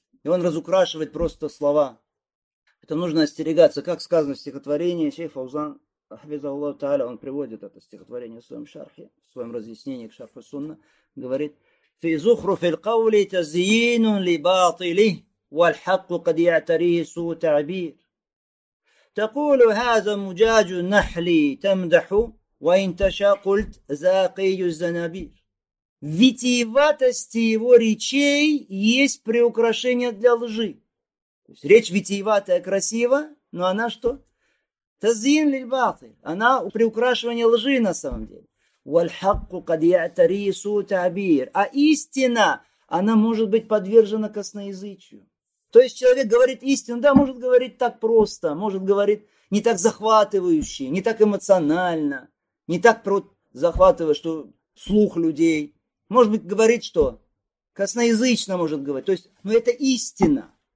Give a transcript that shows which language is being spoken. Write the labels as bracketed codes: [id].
[ru] И он разукрашивает просто слова. Это нужно остерегаться. Как сказано в стихотворении, шейх Фаузан, ахвизаллаху тааля, он приводит это стихотворение в своем шархе, в своем разъяснении к шарху сунна, говорит: [ar] «Фи зухруфил каули тазиину ли батили». والحق قد يعتريه سوء تعبير تقول هذا مجاج نحلي تمدح وإن تشاء قلت زاقي الزنابير. [ru] Витиеватость его речей есть приукрашение для лжи. То есть речь витиеватая, красива, но она что? [ar] Тазин лиль батиль. [ru] Она приукрашивание лжи на самом деле. [ar] والحق قد يعتريه سوء تعبير. [ru] А истина, она может быть подвержена косноязычию. То есть человек говорит истину, да, может говорить так просто, может говорить не так захватывающе, не так эмоционально, не так захватывающе, что слух людей. Может быть, говорит что? Косноязычно может говорить. То есть, ну, это истина.